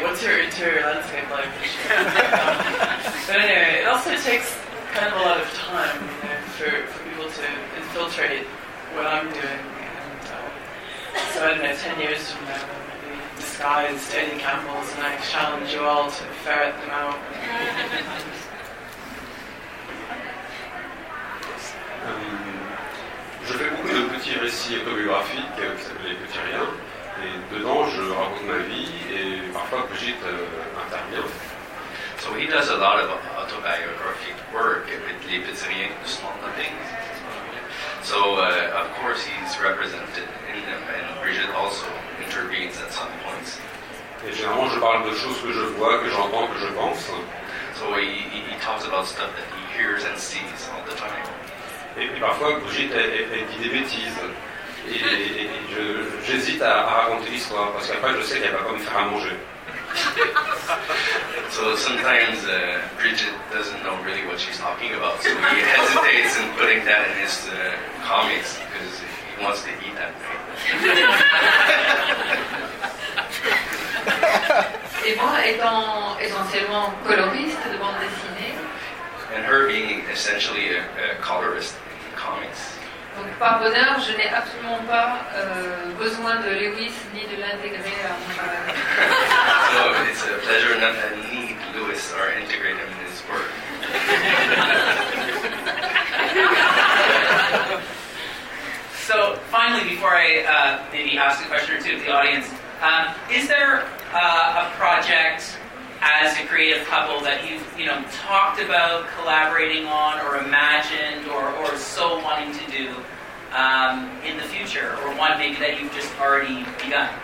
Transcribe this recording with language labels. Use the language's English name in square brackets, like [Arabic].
[English] What's her interior landscape like? But anyway, it also takes kind of a lot of time, you know, for people to infiltrate what I'm doing. And so, I don't know, 10 years from now, I'll be disguised Eddie Campbells, and I challenge you all to ferret them out. [French] Je fais beaucoup de petits récits autobiographiques qui s'appellent Les Petits Riens, et dedans je raconte ma vie et parfois Brigitte intervient. [English] So he does a lot of autobiographic work with Les Petits Riens, The Small Nothings. So of course he's represented in them, and Brigitte also intervenes at some points. [French] Et généralement je parle de choses que je vois, que j'entends, que je pense. [English] So he talks about stuff that he hears and sees all the time. [French] Et puis parfois, Brigitte, elle dit des bêtises. Et j'hésite à raconter l'histoire, parce qu'après, je sais qu'elle ne va pas me faire à manger. [English] So sometimes Bridget doesn't know really what she's talking about, so he hesitates in putting that in his comics because he wants to eat that thing. [French] Et moi, étant essentiellement coloriste de bande dessinée, [English] and her being essentially a colorist in comics. [French] Donc par bonheur, je n'ai absolument pas besoin de Lewis ni de l'intégrer à mon travail. [English] So it's a pleasure not to need Lewis or integrate him in his work. So finally, before I maybe ask a question or two of the audience, is there a project as a creative couple that you've, you know, talked about collaborating on or imagined or so wanting to do in the future, or one maybe that you've just already begun?